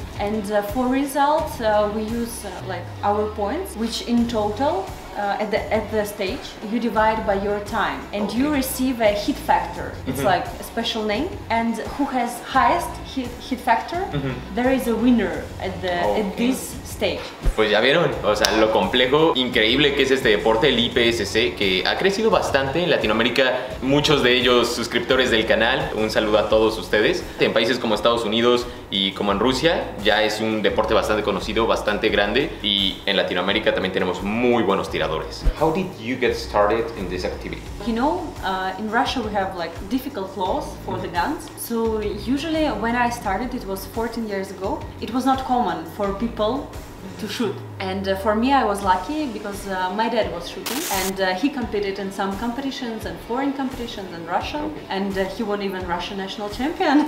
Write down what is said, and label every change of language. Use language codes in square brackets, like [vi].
[en] And for results, we use like our points, which in total, at the stage, you divide by your time and you receive a hit factor. It's like a special name. And who has highest hit factor, there is a winner at the at this stage. [es] Pues ya vieron, o sea, lo complejo, increíble que es este deporte, el IPSC, que ha crecido bastante en Latinoamérica, muchos de ellos suscriptores del canal, un saludo a todos ustedes. En países como Estados Unidos y como en Rusia, ya es un deporte bastante conocido, bastante grande, y en Latinoamérica también tenemos muy buenos tiradores. [en] How did you get started in this activity? You know, in Russia we have like difficult laws for the guns, so usually when I started, it was 14 years ago, it was not common for people to shoot. And for me, I was lucky because my dad was shooting and he competed in some competitions and foreign competitions in Russia, and he won even Russian national champion.